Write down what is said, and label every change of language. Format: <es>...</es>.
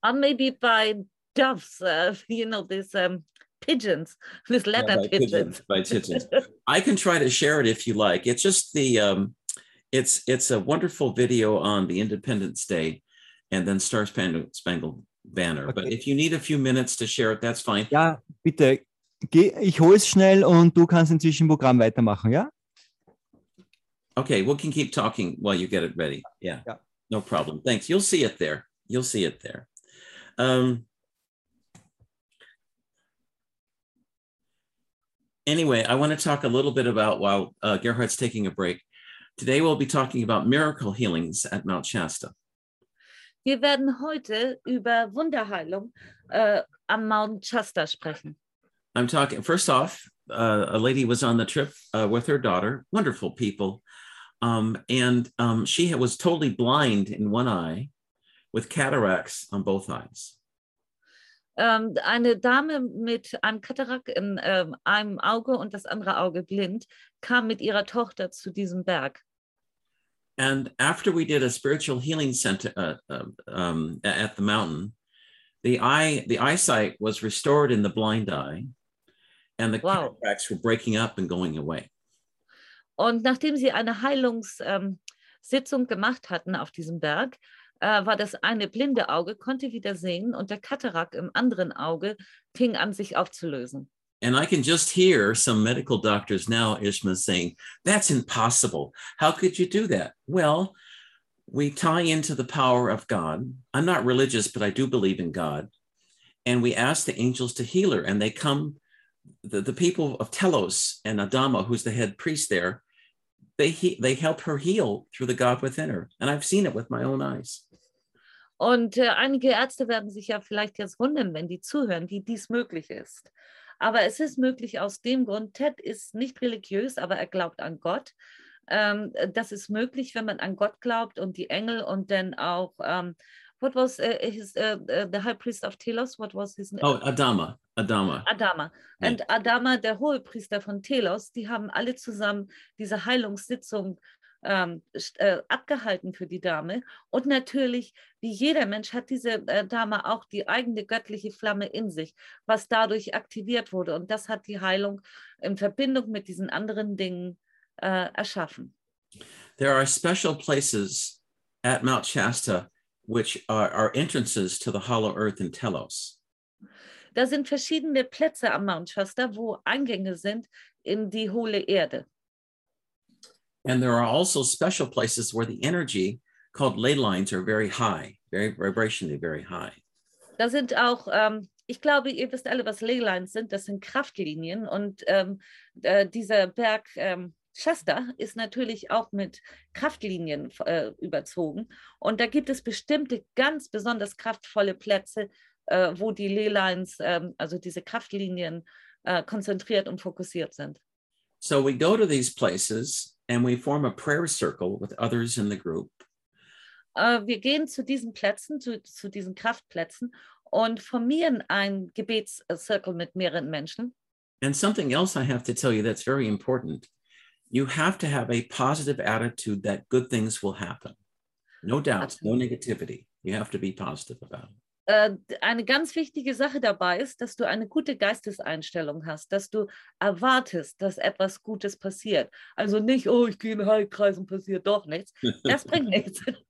<en>Maybe by doves, you know, these pigeons. I can try to share it if you like. It's just the, it's a wonderful video on the Independence Day and then Star Spangled Banner. Okay. But if you need a few minutes to share it, that's fine.</en> <de>Ja, bitte. Geh, ich hole es schnell und du kannst inzwischen Programm weitermachen, ja?</de> <en>Okay, we can keep talking while you get it ready. Yeah,</en> <de>ja.</de> <en>No problem. Thanks. You'll see it there. You'll see it there. Anyway, I want to talk a little bit about, while Gerhard's taking a break, today we'll be talking about miracle healings at Mount Shasta.</en> <de>Wir werden heute über Wunderheilung am Mount Shasta sprechen.</de> <en>I'm talking, first off, a lady was on the trip with her daughter, wonderful people, and she was totally blind in one eye with cataracts on both eyes.</en> <de>Eine Dame mit einem Katarakt in einem Auge und das andere Auge blind kam mit ihrer Tochter zu diesem Berg.</de> <en>And after we did a spiritual healing center at the mountain, the eyesight was restored in the blind eye. And the cataracts were breaking up and going away.</en> <de>Und nachdem sie eine Heilungssitzung gemacht hatten auf diesem Berg, war das eine blinde Auge, konnte wieder sehen und der Katarakt im anderen Auge fing an, sich aufzulösen.</de> <en>And I can just hear some medical doctors now, Ishma, saying, that's impossible. How could you do that? Well, we tie into the power of God. I'm not religious, but I do believe in God. And we ask the angels to heal her. And they come, the people of Telos and Adama, who's the head priest there, they help her heal through the God within her. And I've seen it with my own eyes.</en> <de>Und einige Ärzte werden sich ja vielleicht jetzt wundern, wenn die zuhören, wie dies möglich ist. Aber es ist möglich aus dem Grund, Ted ist nicht religiös, aber er glaubt an Gott. Das ist möglich, wenn man an Gott glaubt und die Engel und dann auch,</de> <en>what was his, the high priest of Telos, what was his name? Oh, Adama. Adama.</en> <de>Adama.</de> <en>Yeah. And</en> <de>Adama, der hohe Priester von Telos, die haben alle zusammen diese Heilungssitzung abgehalten für die Dame. Und natürlich, wie jeder Mensch, hat diese Dame auch die eigene göttliche Flamme in sich, was dadurch aktiviert wurde. Und das hat die Heilung in Verbindung mit diesen anderen Dingen erschaffen.</de> <en>There are special places at Mount Shasta, which are entrances to the hollow earth in Telos.</en> <de>Da sind verschiedene Plätze am Mount Shasta, wo Eingänge sind in die hohle Erde.</de> <en>And there are also special places where the energy called ley lines are very high, very vibrationally very high.</en> <de>Da sind auch, ich glaube, ihr wisst alle, was ley lines sind. Das sind Kraftlinien. Und dieser Berg Shasta ist natürlich auch mit Kraftlinien überzogen. Und da gibt es bestimmte ganz besonders kraftvolle Plätze, wo die ley lines, also diese Kraftlinien, konzentriert und fokussiert sind.</de> <en>So we go to these places and we form a prayer circle with others in the group.</en> <de>Wir gehen zu diesen Plätzen, zu diesen Kraftplätzen und formieren einen Gebetscircle mit mehreren Menschen.</de> <en>And something else I have to tell you that's very important. You have to have a positive attitude that good things will happen. No doubts, no negativity. You have to be positive about it.</en> <de>Eine ganz wichtige Sache dabei ist, dass du eine gute Geisteseinstellung hast, dass du erwartest, dass etwas Gutes passiert. Also nicht, oh, ich gehe in den Heilkreis und passiert doch nichts. Das bringt nichts.</de>